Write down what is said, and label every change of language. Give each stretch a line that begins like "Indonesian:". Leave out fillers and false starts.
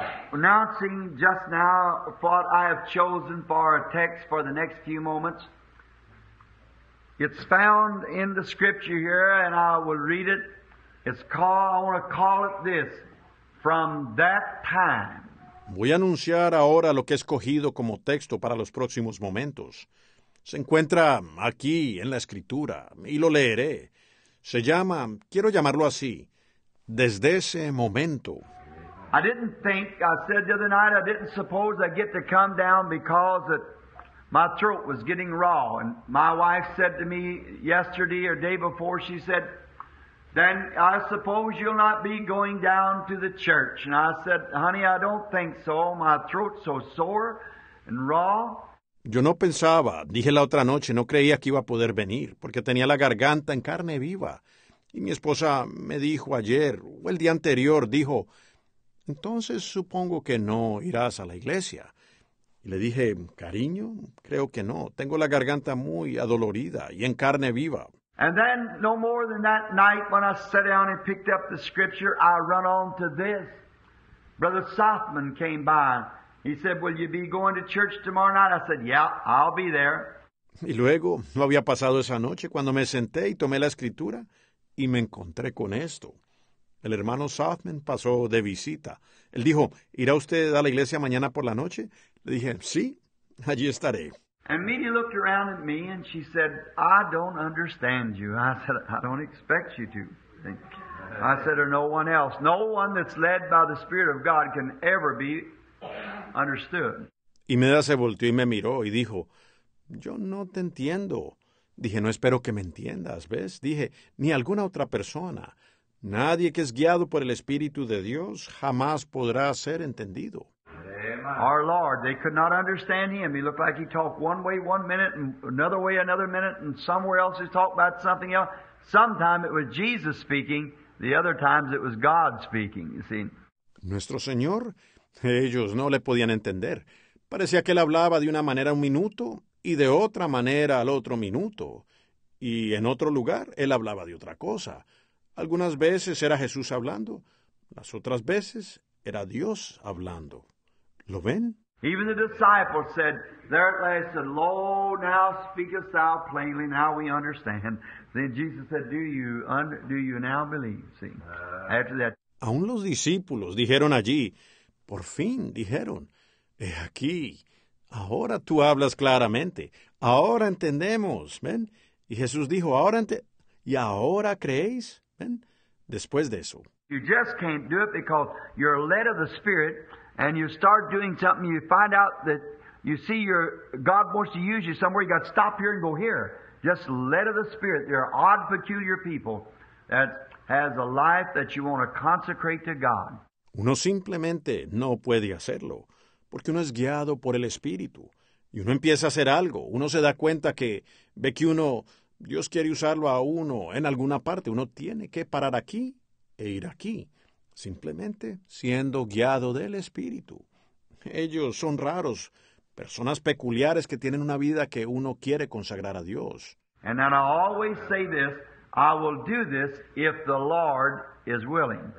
English: Announcing just now what I have chosen for our text for the next few moments. It's found in the scripture here, and I will read it. I want to call it this, from that time.
Spanish: Voy a anunciar ahora lo que he escogido como texto para los próximos momentos. Se encuentra aquí en la escritura, y lo leeré. Se llama, quiero llamarlo así, desde ese momento.
English: I didn't think, I said the other night, I didn't suppose I'd get to come down because of my throat was getting raw. And my wife said to me yesterday or day before, she said, "Dan, I suppose you'll not be going down to the church." And I said, "Honey, I don't think so. My throat's so sore and raw."
Spanish: Yo no pensaba, dije la otra noche, no creía que iba a poder venir, porque tenía la garganta en carne viva. Y mi esposa me dijo ayer, o el día anterior, dijo, "Entonces supongo que no irás a la iglesia." Y le dije, "Cariño, creo que no. Tengo la garganta muy adolorida y en carne viva."
English: And then, no more than that night, when I sat down and picked up the scripture, I run on to this. Brother Softman came by. He said, "Will you be going to church tomorrow night?" I said, "Yeah, I'll be there."
Spanish: Y luego, no había pasado esa noche cuando me senté y tomé la escritura y me encontré con esto. El hermano Softman pasó de visita. Él dijo, "¿Irá usted a la iglesia mañana por la noche?" Le dije, "Sí, allí estaré."
English: And Media looked around at me and she said, "I don't understand you." I said, "I don't expect you to." I said, "Or no one else. No one that's led by the Spirit of God can ever be understood."
Spanish: Y Media se volteó y me miró y dijo, "Yo no te entiendo." Dije, "No espero que me entiendas, ¿ves?" Dije, "Ni alguna otra persona. Nadie que es guiado por el Espíritu de Dios jamás podrá ser entendido."
English: Our Lord, they could not understand him. He looked like he talked one way one minute, and another way another minute, and somewhere else he's talking about something else. Sometimes it was Jesus speaking, the other times it was God speaking, you see.
Spanish: Nuestro Señor, ellos no le podían entender. Parecía que él hablaba de una manera un minuto, y de otra manera al otro minuto. Y en otro lugar, él hablaba de otra cosa. Algunas veces era Jesús hablando, las otras veces era Dios hablando. ¿Lo ven?
English: Even the disciples said, there at last, "Lo, now speakest thou plainly, now we understand." Then Jesus said, do you now believe? See, after that.
Spanish: Aún los discípulos dijeron allí, por fin dijeron, "He aquí, ahora tú hablas claramente, ahora entendemos." ¿Ven? Y Jesús dijo, ¿y ahora creéis? ¿Ven? Después de eso.
English: You just can't do it because you're led of the Spirit. And you start doing something, you find out that you see your God wants to use you somewhere, you got to stop here and go here. Just led of the Spirit. There are odd, peculiar people that has a life that you want to consecrate to God.
Spanish: Uno simplemente no puede hacerlo, porque uno es guiado por el Espíritu. Y uno empieza a hacer algo. Uno se da cuenta que ve que uno, Dios quiere usarlo a uno en alguna parte. Uno tiene que parar aquí e ir aquí. Simplemente siendo guiado del Espíritu. Ellos son raros, personas peculiares que tienen una vida que uno quiere consagrar a Dios.
English: And then I always say this, I will do this if the Lord is willing.